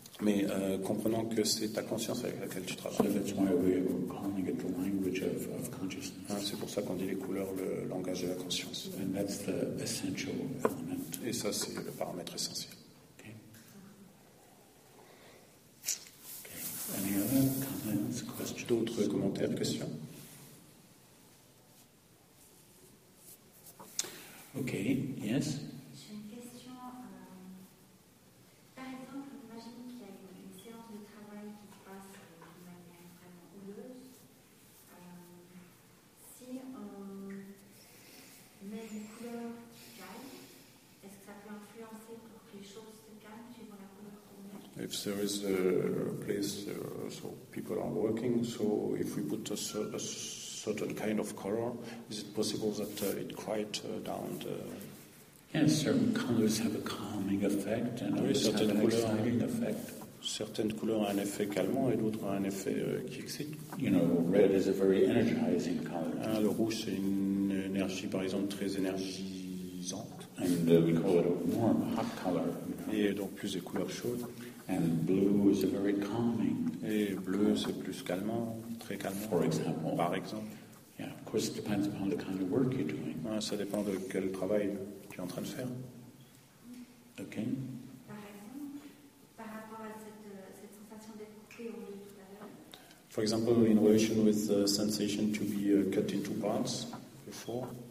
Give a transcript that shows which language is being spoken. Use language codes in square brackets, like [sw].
[fr] Mais comprenant que c'est ta conscience avec laquelle tu travailles. [en] So that's why we're calling it the language of consciousness. [fr] Ah, c'est pour ça qu'on dit les couleurs, le langage de la conscience. [en] And that's the essential element. [fr] Et ça, c'est le paramètre essentiel. [en] Any other comments, questions? [fr] D'autres commentaires, questions? [en] Ok, yes. [fr] J'ai une question. Par exemple, imagine qu'il y a une séance de travail qui se passe de manière vraiment houleuse. Si on met une couleur qui calme, est-ce que ça peut influencer pour que les choses se calment suivant la couleur qu'on met? [en] If there is a place so people are working, so if we put a certain kind of color, is it possible that it quiet down the... Yes, certain colors have a calming effect and others have an exciting effect. [fr] Certaines couleurs ont un effet calmant et d'autres ont un effet qui excite. [en] You know, red is a very energizing color. [fr] Ah, le rouge, c'est une énergie, par exemple, très énergisante. [en] And we call it a warm, hot color. You know. [fr] Et donc plus des couleurs chaudes. [en] And blue is a very calming. [fr] Et bleu, c'est plus calmant, très calmant. [en] For example. [fr] Par exemple. [en] Yeah, of course, it depends upon the kind of work you're doing. [fr] Ouais, ça dépend de quel travail tu es en train de faire. Ok. Par exemple, par rapport à cette sensation d'être coupé au milieu tout à l'heure. [en] For example, in relation with the sensation to be cut into parts before.